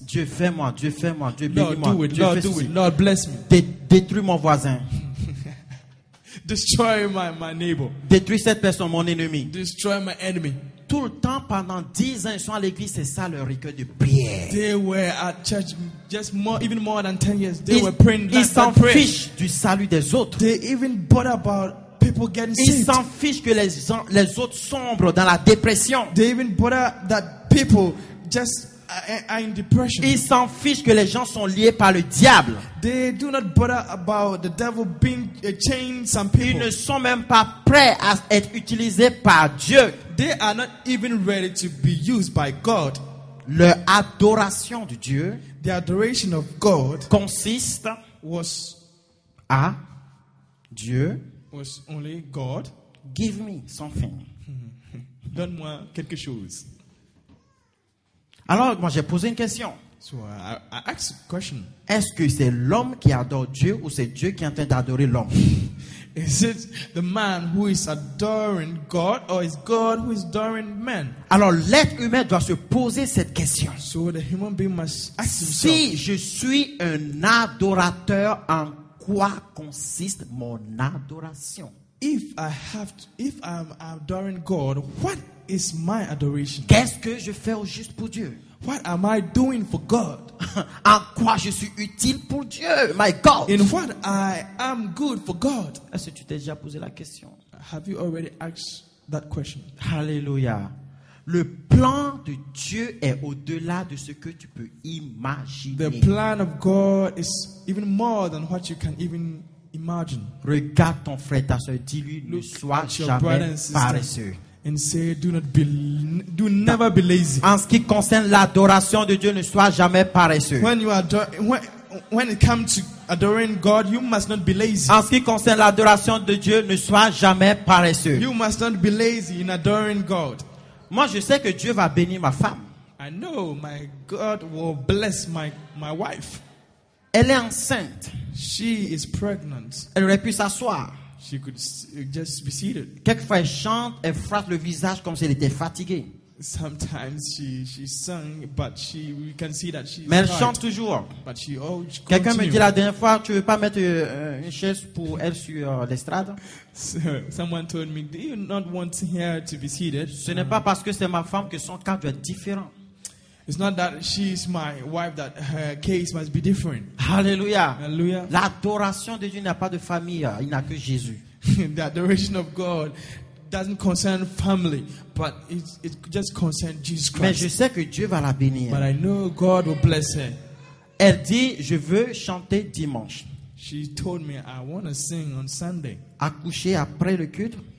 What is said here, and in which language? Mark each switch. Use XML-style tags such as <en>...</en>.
<fr>Dieu fais-moi, Dieu fais-moi, Dieu bénis-moi.</fr> <en>Lord, do it.</en> <fr>Dieu</fr> <en>Lord, do it. Lord, bless me.</en> <fr>Détruis mon voisin.</fr> <en>Destroy my neighbor.</en> <fr>Détruis cette personne, mon ennemi.</fr> <en>Destroy my enemy.</en> <fr>Tout le temps, pendant 10 ans, ils sont à l'église, c'est ça leur rituel de prière.</fr> <en>They were at church just more, even more than 10 years. They were praying.</en> <fr>Ils s'en fichent du salut des autres.</fr> <en>They even bother about people getting saved.</en> <fr>Ils s'en fichent que les autres sombrent dans la dépression.</fr> <en>They even bother that people just are in depression.</en> <fr>Ils s'en fichent que les gens sont liés par le diable.</fr> <en>They do not bother about the devil being chained some people.</en> <fr>Ils ne sont même pas prêts à être utilisés par Dieu.</fr> <en>They are not even ready to be used by God.</en> <fr>Leur adoration de Dieu,</fr> <en>the adoration of God,</en> <fr>consiste</fr> <en>was</en> <fr>à Dieu</fr> <en>was only God. Give me something.</en> <fr>Donne-moi quelque chose. Alors, moi, j'ai posé une question.</fr> <en>So, I asked a question.</en> <fr>Est-ce que c'est l'homme qui adore Dieu ou c'est Dieu qui est en train d'adorer l'homme?</fr> <en>Is it the man who is adoring God or is God who is adoring man?</en> <fr>Alors, l'être humain doit se poser cette question.</fr> <en>So, the human being must ask</en> <fr>si</fr> <en>himself.</en> <fr>Si je suis un adorateur, en quoi consiste mon adoration?</fr> <en>If I'm adoring God, what is my adoration?</en> <fr>Qu'est-ce que je fais au juste pour Dieu?</fr> <en>What am I doing for God?</en> <fr>En quoi je suis utile pour Dieu?</fr> <en>My God. In what I am good for God? Est-ce que tu t'es déjà posé la question? Have you already asked that question? Hallelujah.</en> <fr>Le plan de Dieu est au-delà de ce que tu peux imaginer.</fr> <en>The plan of God is even more than what you can even imagine.</en> <fr>Regarde ton frère, ta soeur, dis-lui</fr> <en>look</en> <fr>ne sois jamais paresseux.</fr> <en>And say, do never be lazy.</en> <fr>En ce qui concerne l'adoration de Dieu, ne sois jamais paresseux.</fr> <en>When it comes to adoring God, you must not be lazy.</en> <fr>En ce qui concerne l'adoration de Dieu, ne sois jamais paresseux.</fr> <en>You must not be lazy in adoring God.</en> <fr>Moi, je sais que Dieu va bénir ma femme.</fr> <en>I know my God will bless my wife.</en> <fr>Elle est enceinte.</fr> <en>She is pregnant.</en> <fr>Elle aurait pu s'asseoir.</fr> <en>She could just be seated.</en> <fr>Quelquefois elle chante, elle frotte le visage comme si elle était fatiguée.</fr> <en>Sometimes she sang, but we can see that she's</en> <fr>mais elle chante toujours.</fr> <en>But she always</en> <fr>quelqu'un</fr> <en>continue.</en> <fr>Me dit la dernière fois, tu veux pas mettre une chaise pour elle sur l'estrade?</fr> <en>Someone told me, do you not want her to be seated?</en> <fr>Ce n'est pas parce que c'est ma femme que son cas doit être différent.</fr> <en>It's not that she's my wife that her case must be different. Hallelujah. Hallelujah.</en> <fr>L'adoration de Dieu n'a pas de famille, il n'a que Jésus.</fr> <en>The adoration of God doesn't concern family, but it just concerns Jesus Christ.</en> <fr>Mais je sais que Dieu va la bénir.</fr> <en>But I know God will bless her.</en> <fr>Elle dit, je veux chanter dimanche.</fr> <en>She told me I want to sing on Sunday.</en> <fr>Accoucher après le culte.</fr>